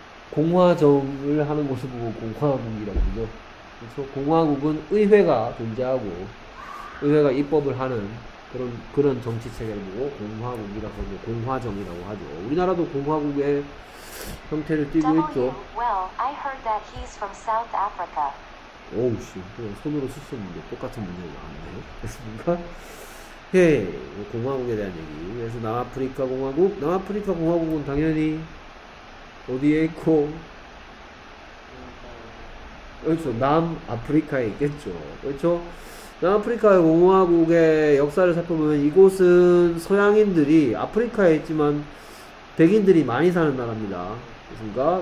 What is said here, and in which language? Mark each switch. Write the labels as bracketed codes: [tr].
[ko] 공화정을 하는 곳을 보고 공화국이라고 그러죠. 그래서 공화국은 의회가 존재하고 의회가 입법을 하는 그런 정치 체계를 보고 공화국이라고 그러죠. 공화정이라고 하죠. 우리나라도 공화국의 형태를 띠고 있죠. W. [en] Well, I heard that he's from South Africa. [ko] 오우 씨, 그냥 손으로 쓰셨는데 똑같은 문장이 나왔네요. 그렇습니까? 예, 공화국에 대한 얘기. 그래서 남아프리카 공화국. 남아프리카 공화국은 당연히 어디에 있고, 그렇죠. 남아프리카에 있겠죠. 그렇죠. 남아프리카 공화국의 역사를 살펴보면 이곳은 서양인들이 아프리카에 있지만 백인들이 많이 사는 나라입니다. 그렇습니까?